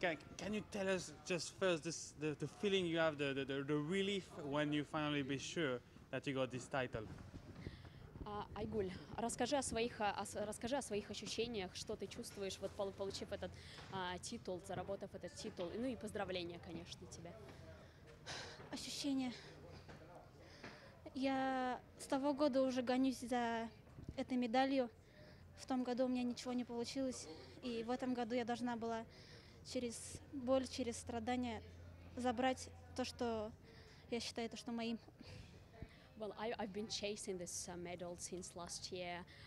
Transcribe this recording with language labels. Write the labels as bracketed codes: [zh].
[en] Can you tell us just first the feeling you have, the relief when you finally be sure that you got this title? [ru] AIGUL, расскажи о своих ощущениях, что ты чувствуешь, вот получив этот титул, заработав этот титул. Ну и поздравления, конечно, тебе. Ощущения. Я с того года уже гонюсь за этой медалью. В том году у меня ничего не получилось. И в этом году я должна была через боль, через страдания забрать то, что я считаю, то, что моим. [en] Well, I've been chasing this medal since last year.